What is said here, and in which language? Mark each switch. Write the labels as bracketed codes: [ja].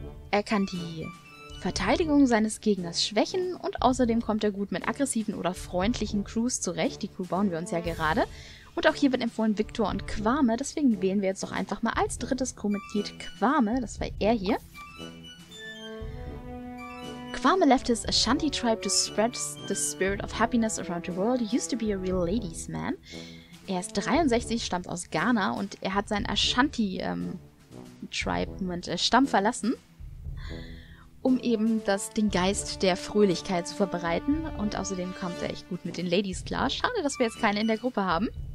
[de] Er kann die Verteidigung seines Gegners schwächen und außerdem kommt er gut mit aggressiven oder freundlichen Crews zurecht. Die Crew bauen wir uns ja gerade. Und auch hier wird empfohlen Victor und Kwame, deswegen wählen wir jetzt doch einfach mal als drittes Crewmitglied Kwame. Das war er hier. [en] Kwame left his Ashanti tribe to spread the spirit of happiness around the world. He used to be a real ladies man. [de] Er ist 63, stammt aus Ghana und er hat sein Ashanti-Stamm verlassen, um eben den Geist der Fröhlichkeit zu verbreiten. Und außerdem kommt er echt gut mit den Ladies klar. Schade, dass wir jetzt keine in der Gruppe haben.